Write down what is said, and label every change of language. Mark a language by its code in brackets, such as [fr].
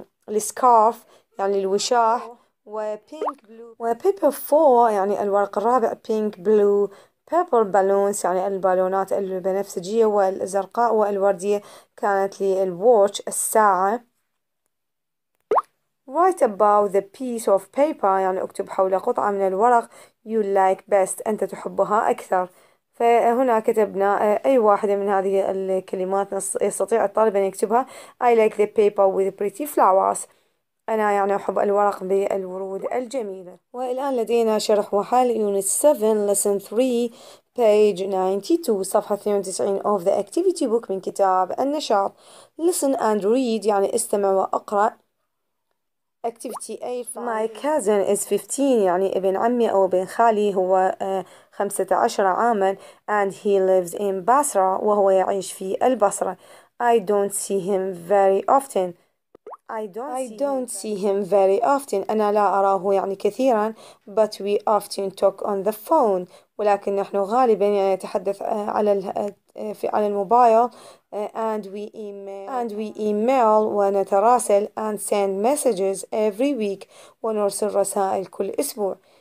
[ar] scarf يعني الوشاح وpink blue و [en] paper four [ar] يعني الورق الرابع [en] pink blue purple balloons [ar] يعني البالونات البنفسجية والزرقاء والوردية كانت للwatch الساعة. [en] Write about the piece of paper [ar] يعني اكتب حول قطعة من الورق [en] you like best [ar] انت تحبها اكثر. فهنا كتبنا اي واحدة من هذه الكلمات يستطيع الطالب ان يكتبها. [en] I like the paper with pretty flowers [ar] انا يعني احب الورق بالورود الجميلة. والان لدينا شرح وحل [en] unit 7 lesson 3 page 92 [ar] صفحة 92 [en] of the activity book [ar] من كتاب النشاط. [en] listen and read [ar] يعني استمع واقرا. [en] Activity A. My cousin is 15 [ar] يعني ابن عمي أو ابن خالي هو 15 عاما [en] and he lives in Basra [ar] وهو يعيش في البصرة. [en] I don't see him very often. I don't see him very often. [ar] أنا لا أراه يعني كثيرا [en] but we often talk on the phone [ar] ولكن نحن غالبا يعني نتحدث على الموبايل [en] and we email [ar] ونتراسل [en] and send messages every week [ar] ونرسل رسائل كل أسبوع.